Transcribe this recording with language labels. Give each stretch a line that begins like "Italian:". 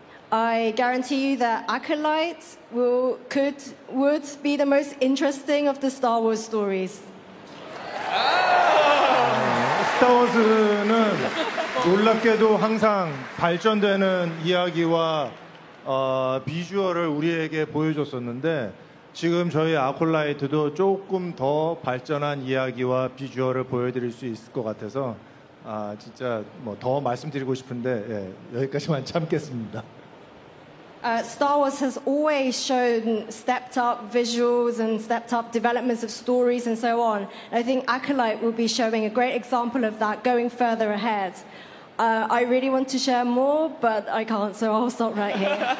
English: I guarantee you that Acolyte would be the most interesting of the Star Wars stories.
Korean: Star Wars는 놀랍게도 항상 발전되는 이야기와 비주얼을 우리에게 보여줬었는데 지금 저희 Acolyte도 조금 더 발전한 이야기와 비주얼을 보여드릴 수 있을 것 같아서 진짜 뭐 더 말씀드리고 싶은데 예, 여기까지만 참겠습니다.
English: Star Wars has always shown stepped up visuals and stepped up developments of stories and so on. And I think Acolyte will be showing a great example of that going further ahead. I really want to share more, but I can't, so I'll stop right here.